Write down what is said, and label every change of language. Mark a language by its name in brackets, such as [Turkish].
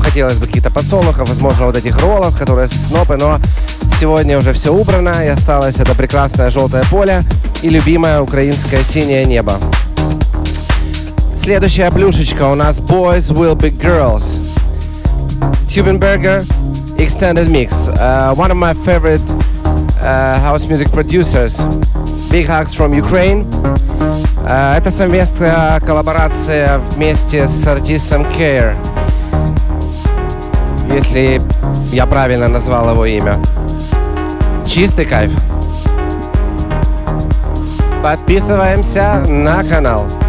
[Russian] Хотелось бы каких-то подсолнухов, возможно, вот этих роллов, которые снопы, но сегодня уже все убрано и осталось это прекрасное желтое поле и любимое украинское синее небо. Следующая плюшечка у нас «Boys Will Be Girls». [English] Tubenberger Extended Mix. One of my favorite house music producers. Big hugs from Ukraine. [Russian] Это совместная коллаборация вместе с артистом Care. Если я правильно назвал его имя. Чистый кайф. Подписываемся на канал.